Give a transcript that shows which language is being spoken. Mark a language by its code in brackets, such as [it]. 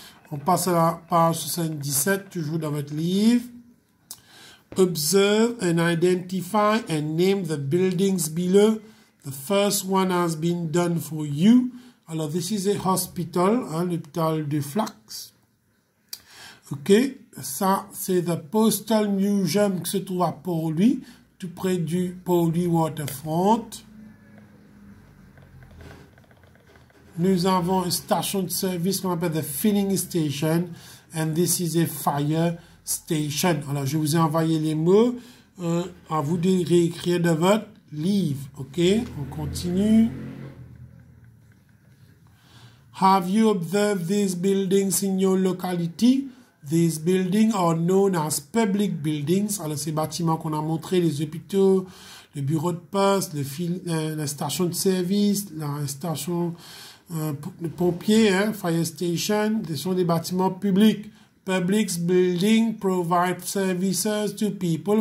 [fr] On passe à la page 77, toujours dans votre livre. [en] Observe and identify and name the buildings below. The first one has been done for you. [fr] Alors, [en] this is a hospital, [fr] hein, l'hôpital de Flax. OK, ça, c'est the Postal Museum qui se trouve à Port-Louis, tout près du Port-Louis Waterfront. Nous avons une station de service qu'on appelle the Filling Station, [en] and this is a Fire Station. [fr] Alors, je vous ai envoyé les mots, à vous de réécrire dans votre livre. OK, on continue. [en] Have you observed these buildings in your locality? These buildings are known as public buildings. [fr] Alors, ces bâtiments qu'on a montrés, les hôpitaux, le bureau de poste, la station de service, la station de pompiers, hein, fire station, ce sont des bâtiments publics. [en] Public buildings provide services to people.